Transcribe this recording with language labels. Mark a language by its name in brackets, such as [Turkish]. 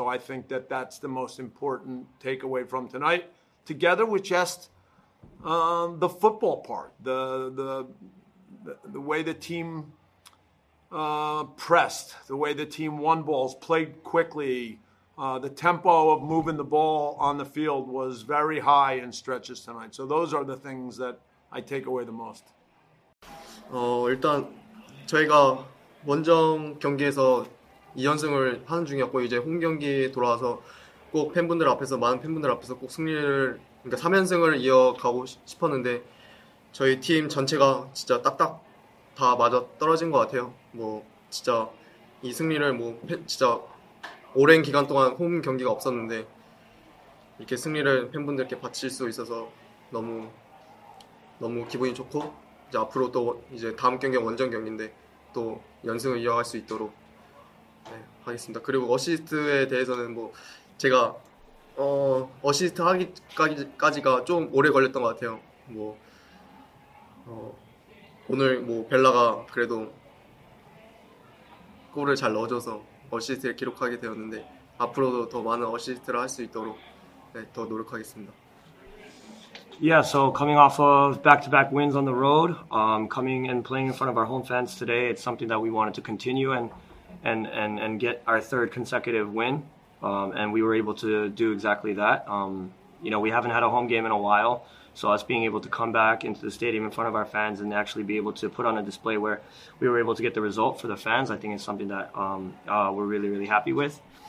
[English] So I think that that's the most important takeaway from tonight, together with just the football part, the way the team pressed, the way the team won balls, played quickly. The tempo of moving the ball on the field was very high in stretches tonight. So those are the things that I take away the most. [Korean] 일단 저희가 원정 경기에서 2연승을 하는 중이었고 이제 홈 경기 돌아와서 꼭 팬분들 앞에서 많은 팬분들 앞에서 꼭 그러니까 3연승을 이어가고 싶었는데 저희 팀 전체가 진짜 딱딱 다 맞아 떨어진 것 같아요. 뭐 진짜 이 승리를 진짜 오랜 기간 동안 홈 경기가 없었는데 이렇게 승리를 팬분들께 바칠 수 있어서 너무 너무 기분이 좋고 이제 앞으로 또 이제 다음 경기는 원정 경기인데 또 연승을 이어갈 수 있도록 네, 하겠습니다. 그리고 어시스트에 대해서는 뭐 제가 어시스트 하기까지가 좀 오래 걸렸던 것 같아요. 뭐 오늘 뭐 벨라가 그래도 골을 잘 넣어줘서 어시스트를 기록하게 되었는데 앞으로도 더 많은 어시스트를 할 수 있도록 네, 더 노력하겠습니다. [English] Yeah, so coming off of back-to-back wins on the road, coming and playing in front of our home fans today, it's something that we wanted to continue and get our third consecutive win, and we were able to do exactly that. You know, we haven't had a home game in a while, so us being able to come back into the stadium in front of our fans and actually be able to put on a display where we were able to get the result for the fans, I think is something that we're really, really happy with.